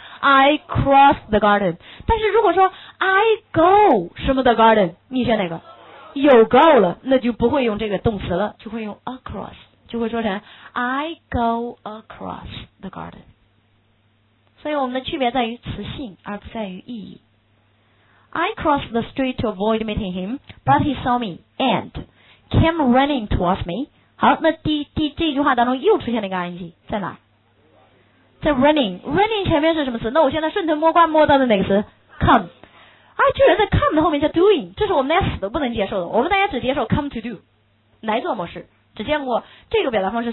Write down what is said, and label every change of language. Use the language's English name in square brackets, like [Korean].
[English] I cross the garden。 [Chinese] 但是如果说 I go 什么的 garden， 你选哪个？有 go 了，那就不会用这个动词了，就会用 across， 就会说成 [English] I go across the garden。 [Chinese] 所以我们的区别在于词性而不在于意义。 [English] I crossed the street to avoid meeting him, but he saw me andcame running towards me。 [Chinese] 好，那这句话当中又出现了一个 ing， 在哪？在 running 前面是什么词？那我现在顺藤摸瓜摸到的哪个词？come。啊，居然在 come 的后面叫 doing， 这是我们连死都不能接受的，我们大家只接受 come to do 来做模式，只见过这个表达方式。